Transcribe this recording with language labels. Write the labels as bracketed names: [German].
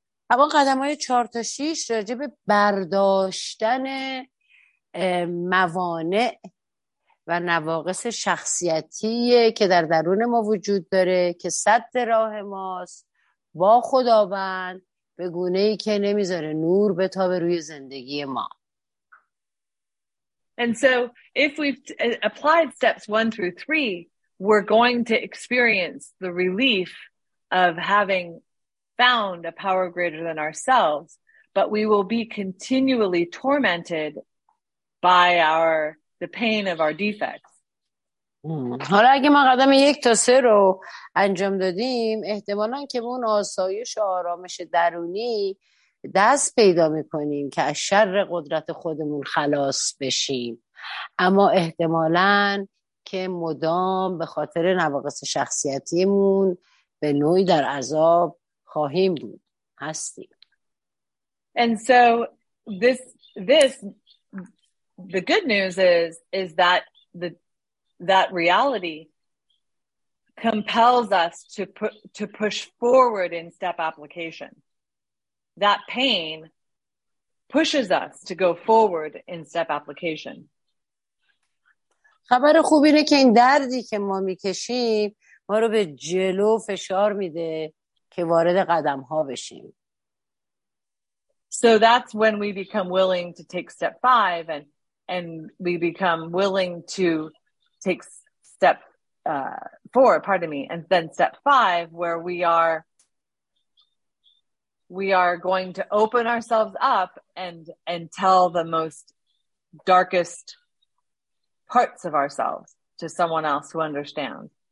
[Persian] همون قدم های 4 تا 6 راجع به برداشتن موانع و نواقص شخصیتیه که در درون ما وجود داره که سد راه ماست با خداوند به گونه ای که نمیذاره نور بتابه روی زندگی ما. [English] And so if we've applied steps 1 through 3, we're going to experience the relief of having found a power greater than ourselves, but we will be continually tormented by the pain of our defects. [Persian] حالا اگه ما قدم 1 تا 3 رو انجام دادیم احتمالاً که به اون آسایش و آرامش درونی دست پیدا میکنیم که از شر قدرت خودمون خلاص بشیم، اما احتمالاً که مدام به خاطر نواقص شخصیتیمون به نوعی در عذاب خواهیم بود هستیم. [English] And so this the good news is that that reality compels us to push forward in step application. That pain pushes us to go forward in step application. [Persian] خبر خوب اینه که این دردی که ما میکشیم ما رو به جلو فشار میده که وارد قدم ها بشیم. [English] So that's when we become willing to take step 5 and we become willing to take step 4, pardon me, and then step 5, where we are going to open ourselves up and tell the most darkest parts of ourselves to someone else who understands.